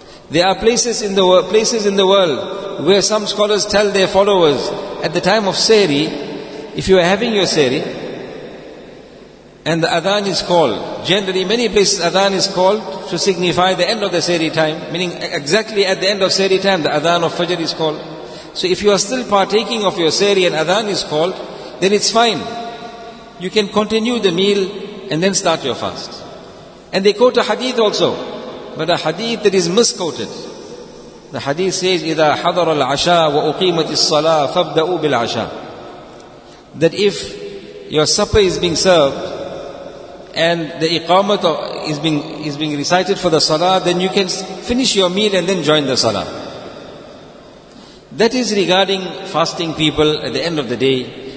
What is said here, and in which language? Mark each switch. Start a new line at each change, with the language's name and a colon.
English: There are places in the world where some scholars tell their followers, at the time of Sehri, if you are having your Sehri, and the adhan is called, generally many places adhan is called to signify the end of the Sehri time, meaning exactly at the end of Sehri time, the adhan of Fajr is called. So if you are still partaking of your Sehri and adhan is called, then it's fine. You can continue the meal and then start your fast. And they quote a hadith also, but a hadith that is misquoted. The hadith says,
Arabic: إِذَا حَضَرَ الْعَشَىٰ وَأُقِيمَتِ الصَّلَاةِ فَابْدَأُوا بِالْعَشَىٰ.
English: That if your supper is being served, and the iqamat is being recited for the salah, then you can finish your meal and then join the salah. That is regarding fasting people at the end of the day.